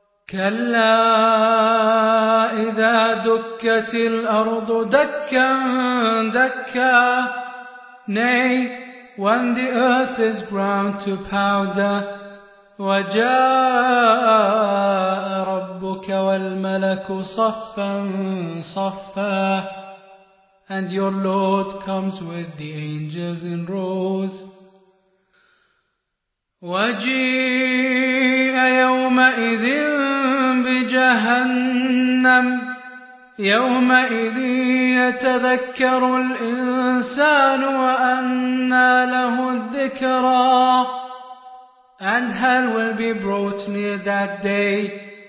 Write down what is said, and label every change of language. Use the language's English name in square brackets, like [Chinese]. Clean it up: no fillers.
[Arabic] كلا إذا دكت الأرض دكا دكا. [English] Nay, when the earth is ground to powder. [Arabic] وجاء ربك والملك صفا صفا. [English] And your Lord comes with the angels in rows. [Arabic] وجيء يومئذ جهنم. يومئذ يتذكر الإنسان وأنى له الذكرى. [English] And hell will be brought near that day.